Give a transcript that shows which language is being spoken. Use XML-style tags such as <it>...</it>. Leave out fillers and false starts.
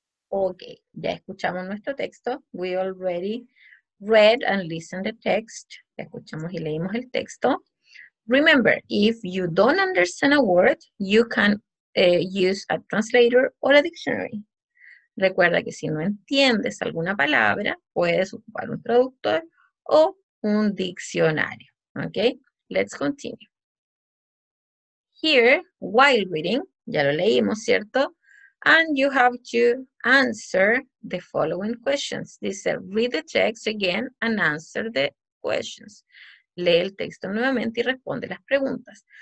<en>Okay.</en> <es>Ya escuchamos nuestro texto.</es> <en>We already read and listened the text.</en> <es>Ya escuchamos y leímos el texto.</es> <en>Remember, if you don't understand a word, you can use a translator or a dictionary.</en> <es>Recuerda que si no entiendes alguna palabra, puedes ocupar un traductor o un diccionario.</es> <en>Okay? Let's continue. Here, while reading,</en> <es>ya lo leímos, ¿cierto?</es> <en>And you have to answer the following questions. This is read the text again and answer the questions.</en> <es>Lee el texto nuevamente y responde las preguntas.</es>